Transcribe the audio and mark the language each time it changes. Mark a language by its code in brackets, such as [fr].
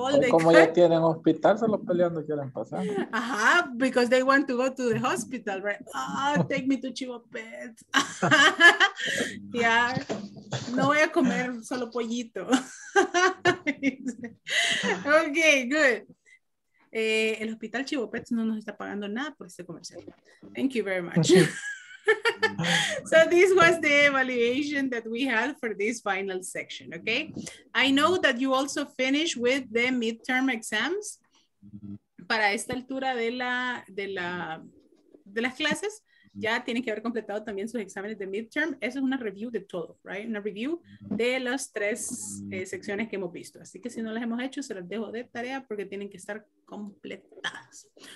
[es] como ya tienen hospital, solo peleando quieren pasar. [en] Ajá, because they want to go to the hospital, right? Ah, oh, take me to Chivo Pet. Yeah, [es] no voy a comer solo pollito. [en] Okay, good. [es] El hospital Chivo Pet no nos está pagando nada por este comercial. [en] Thank you very much. So this was the evaluation that we had for this final section, okay? I know that you also finished with the midterm exams. [es] Para esta altura de las clases, ya tienen que haber completado también sus exámenes de midterm. Eso es una review de todo, [en] right? [es] Una review de las tres secciones que hemos visto. Así que si no las hemos hecho, se las dejo de tarea porque tienen que estar completadas.